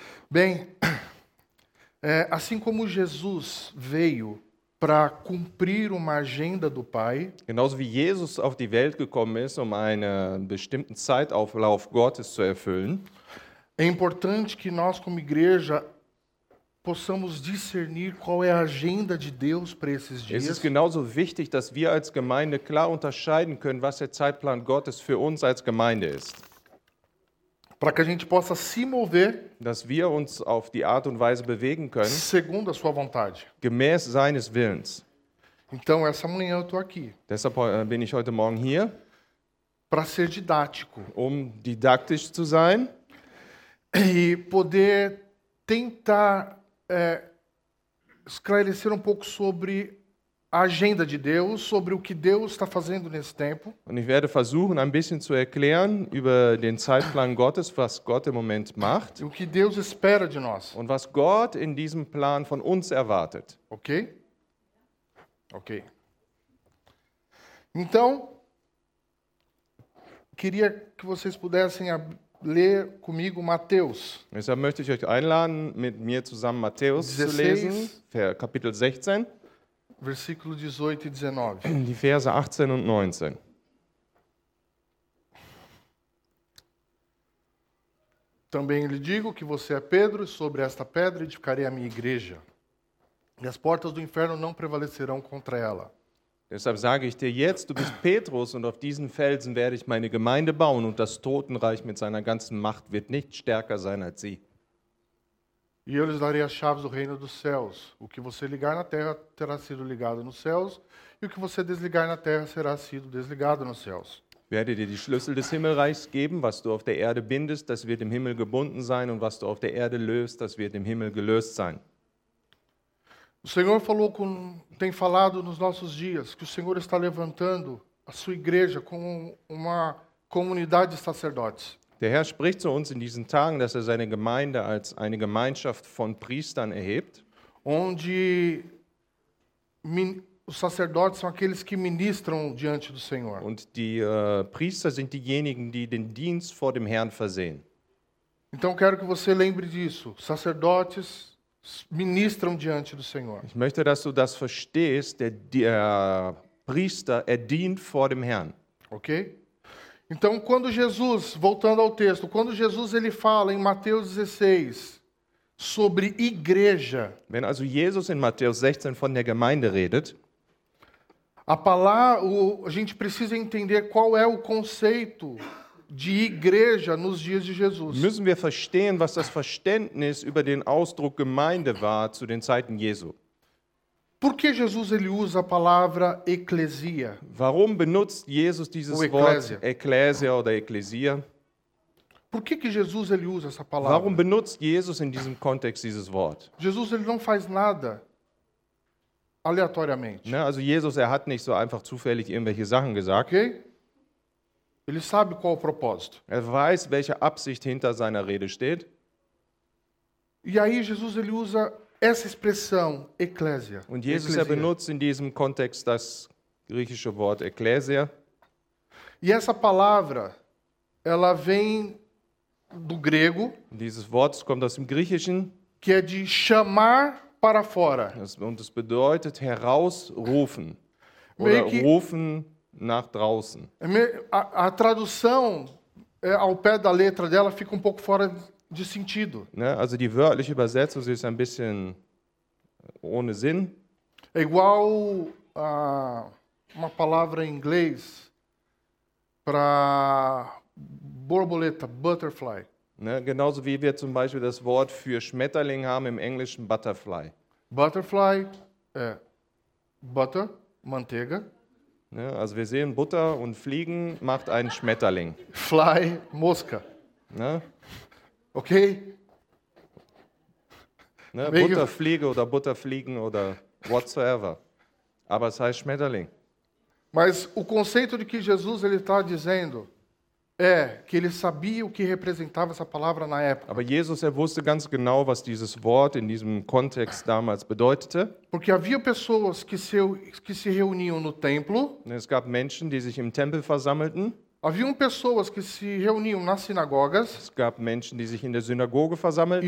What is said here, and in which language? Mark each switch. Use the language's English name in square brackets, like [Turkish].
[Portuguese] Bem, assim como Jesus veio para cumprir uma agenda do Pai, [German] genauso wie Jesus auf die Welt gekommen ist, einen bestimmten Zeitauflauf Gottes zu erfüllen, [Portuguese] é importante que nós, como igreja, possamos discernir qual é a agenda de Deus para esses dias. [German] Es ist genauso wichtig, dass wir als Gemeinde klar unterscheiden können, was der Zeitplan Gottes für uns als Gemeinde ist. [Portuguese] Para que a gente possa se mover, [German] dass wir uns auf die Art und Weise bewegen können, [Portuguese] segundo a sua vontade. [German] Gemäß seines Willens. [Portuguese] Então, essa manhã eu tô aqui. [German] Deshalb bin ich heute Morgen hier. [Portuguese] Para ser didático. [German] Um didaktisch zu sein. [Portuguese] E poder tentar esclarecer um pouco sobre a agenda de Deus, sobre o que Deus está fazendo nesse tempo. [German] Und ich werde versuchen, ein bisschen zu erklären über den Zeitplan Gottes, was Gott im Moment macht. [Portuguese] O que Deus espera de nós. [German] Und was Gott in diesem Plan von uns erwartet. Okay? Okay. [Portuguese] Então, queria que vocês pudessem ler comigo Mateus. [German] Deshalb möchte ich euch einladen, mit mir zusammen Matthäus 16, zu lesen, Kapitel 16. [Portuguese] Versículo 18 e 19. [German] Die Verse 18 und 19. [Portuguese] Também lhe digo que você é Pedro, e sobre esta pedra edificarei a minha igreja. E as portas do inferno não prevalecerão contra ela. [German] Deshalb sage ich dir jetzt, du bist Petrus und auf diesen Felsen werde ich meine Gemeinde bauen und das Totenreich mit seiner ganzen Macht wird nicht stärker sein als sie. [Portuguese] E eu lhes darei as chaves do reino dos céus. O que você ligar na terra terá sido ligado nos céus, e o que você desligar na terra será sido desligado nos céus. [German] Werde dir die Schlüssel des Himmelreichs geben, was du auf der Erde bindest, das wird im Himmel gebunden sein, und was du auf der Erde löst, das wird im Himmel gelöst sein. [Portuguese] O Senhor falou com, tem falado nos nossos dias, que o Senhor está levantando a sua igreja como uma comunidade de sacerdotes. [German] Der Herr spricht zu uns in diesen Tagen, dass seine Gemeinde als eine Gemeinschaft von Priestern erhebt. [Portuguese] Onde os sacerdotes são aqueles que ministram diante do Senhor. [German] Und die Priester sind diejenigen, die den Dienst vor dem Herrn versehen. [Portuguese] Então quero que você lembre disso. Sacerdotes ministram diante do Senhor. [German] Ich möchte, dass du das verstehst, der Priester er dient vor dem Herrn. Okay? [Portuguese] Então, quando Jesus, voltando ao texto, quando Jesus ele fala em Mateus 16 sobre igreja, [German] wenn also Jesus in Matthäus 16 von der Gemeinde redet, [Portuguese] a palavra, a gente precisa entender qual é o conceito de igreja nos dias de Jesus. [German] Müssen wir verstehen, was das Verständnis über den Ausdruck Gemeinde war zu den Zeiten Jesu. [Portuguese] Por que Jesus ele usa a palavra eclesia? [German] Warum benutzt Jesus dieses Wort Ekklesia oder Ekklesia? [Portuguese] Por que que Jesus ele usa essa palavra? [German] Warum benutzt Jesus in diesem Kontext dieses Wort? [Portuguese] Jesus ele não faz nada aleatoriamente. [German] Ne, also Jesus er hat nicht so einfach zufällig irgendwelche Sachen gesagt. Okay? [Portuguese] Ele sabe qual o propósito. [German] Er weiß, welche Absicht hinter seiner Rede steht. [Portuguese] E aí Jesus ele usa essa expressão eclésia. [German] Und Jesus eclésia. Er benutzt in diesem Kontext das griechische Wort eclésia. [Portuguese] E essa palavra ela vem do grego. [German] Dieses Wort kommt aus dem Griechischen. [Portuguese] Que é de chamar para fora. [German] Und es bedeutet herausrufen. Oder que, rufen nach draußen. [Portuguese] A tradução ao pé da letra dela fica um pouco fora de sentido. [German] Ne, also die wörtliche Übersetzung ist ein bisschen ohne Sinn. [Portuguese] É igual a uma palavra em inglês para borboleta, butterfly. [German] Ne, genauso wie wir zum Beispiel das Wort für Schmetterling haben im Englischen butterfly. [Portuguese] Butterfly, Butter, Manteiga. [German] Ne, also wir sehen Butter und Fliegen macht einen Schmetterling. [Portuguese] Fly, Mosca. [German] Ne? Okay. Ne, Butterfliege oder Butterfliegen oder whatsoever. Aber es heißt Schmetterling. [Portuguese] Mas o conceito de que Jesus ele está dizendo é que ele sabia o que representava essa palavra na época. [German] Aber Jesus er wusste ganz genau, was dieses Wort in diesem Kontext damals bedeutete. [Portuguese] Porque havia pessoas que se reuniam no templo. [German] Es gab Menschen, die sich im Tempel versammelten. [Portuguese] Havia pessoas que se reuniam nas sinagogas. [German] Es gab Menschen, die sich in der Synagoge versammelten.